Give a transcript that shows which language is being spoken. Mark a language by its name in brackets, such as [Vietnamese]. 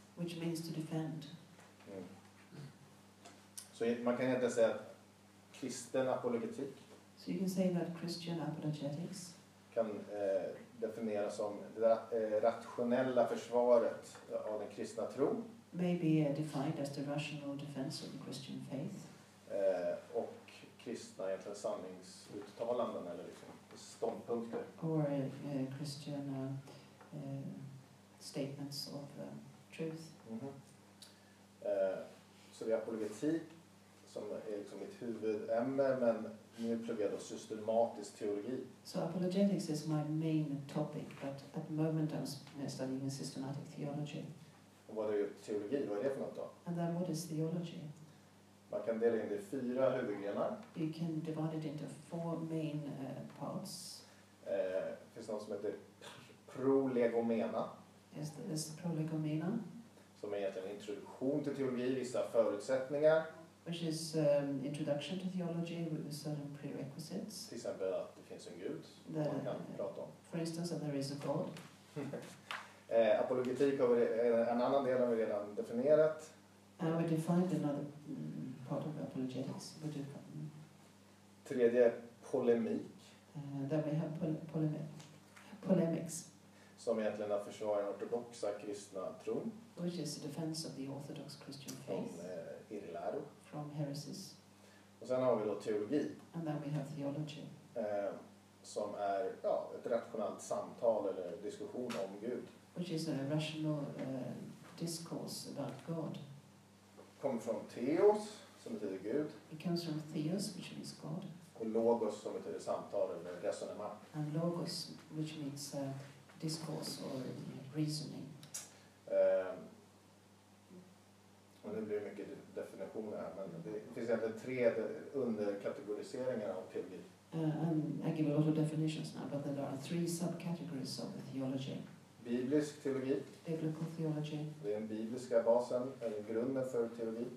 [English] Which means to defend. Mm. [Swedish] Så man kan egentligen säga att kristen apologetik. [English] So you can say that Christian apologetics [Swedish] kan definieras som det rationella försvaret av den kristna tron. [English] Maybe defined as the rational defense of the Christian faith. [Swedish] Och kristna egentligen sanningsuttalanden eller liksom ståndpunkter. [English] Or Christian statements of truth. [Swedish] Så det är apologetik som är liksom mitt huvudämne, men nu pluggar jag då systematisk teologi. [English] So apologetics is my main topic, but at the moment I'm studying systematic theology. [Swedish] Och vad är teologi? Vad är det för något då? [English] And then what is theology? [Swedish] Man kan dela in det i fyra huvudgrenar. [English] You can divide it into four main parts. [Swedish] Finns något som heter prolegomena. [English] Is this prolegomena? [Swedish] Som är egentligen introduktion till teologi, vissa förutsättningar. [English] Which is introduction to theology with certain prerequisites. [Swedish] Till exempel att det finns en gud som man kan prata om. [English] For instance, that there is a god. [Swedish] apologetik har en annan del har vi redan definierat. [English] And we defined another part of apologetics. [Swedish] Tredje, polemik. [English] Then we have polemics. [Swedish] Som egentligen att försvara den ortodoxa kristna tron. [English] Which is the defense of the orthodox Christian faith. [Swedish] Från irrläro. [English] From heresies. [Swedish] Och sen har vi då teologi. [English] And then we have theology. [Swedish] Som är ett rationellt samtal eller diskussion om Gud. [English] Which is a rational discourse about God. [Swedish] Kommer från theos, som betyder Gud. [English] It comes from theos, which means God. [Swedish] Och logos, som betyder samtal eller resonemang. [English] And logos, which means discourse or reasoning. [Swedish] Och nu blir det mycket definitioner här, men det finns egentligen tre underkategoriseringar av teologi. [English] I give a lot of definitions now, but there are three subcategories of the theology. [Swedish] Biblisk teologi. [English] Biblical theology. [Swedish] Det är den bibliska basen, eller grunden för teologi.